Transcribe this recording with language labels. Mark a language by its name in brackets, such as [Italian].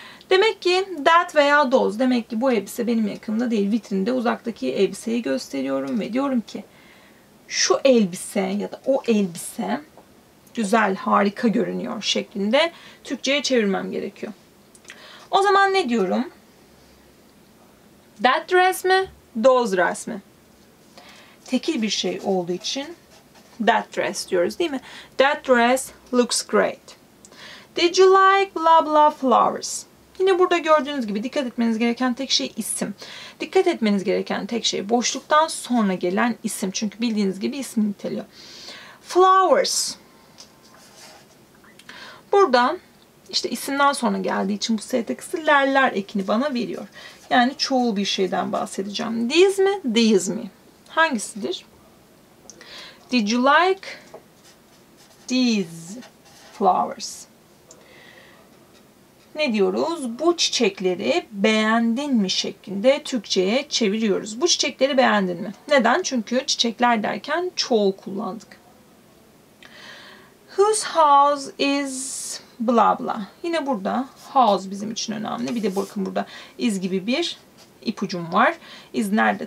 [Turkish] Demek ki that veya those, demek ki bu elbise benim yakınımda değil, vitrinde uzaktaki elbiseyi gösteriyorum ve diyorum ki şu elbise ya da o elbise güzel, harika görünüyor şeklinde Türkçe'ye çevirmem gerekiyor. O zaman ne diyorum? That dress mi? Those dress mi? Tekil bir şey olduğu için that dress diyoruz değil mi? [English] That dress looks great. Did you like blah blah flowers? [Turkish] Yine burada gördüğünüz gibi dikkat etmeniz gereken tek şey isim. Dikkat etmeniz gereken tek şey boşluktan sonra gelen isim. Çünkü bildiğiniz gibi ismi niteliyor. Flowers. Burada işte isimden sonra geldiği için bu setekisi ler ekini bana veriyor. Yani çoğul bir şeyden bahsedeceğim. These mi? These mi? Hangisidir? [English] Did you like these flowers? [Turkish] Ne diyoruz? Bu çiçekleri beğendin mi şeklinde Türkçe'ye çeviriyoruz. Bu çiçekleri beğendin mi? Neden? Çünkü çiçekler derken çoğul kullandık. [English] Whose house is bla bla. [Turkish] Yine burada house bizim için önemli. Bir de bakın burada is gibi bir ipucum var. Is nerede?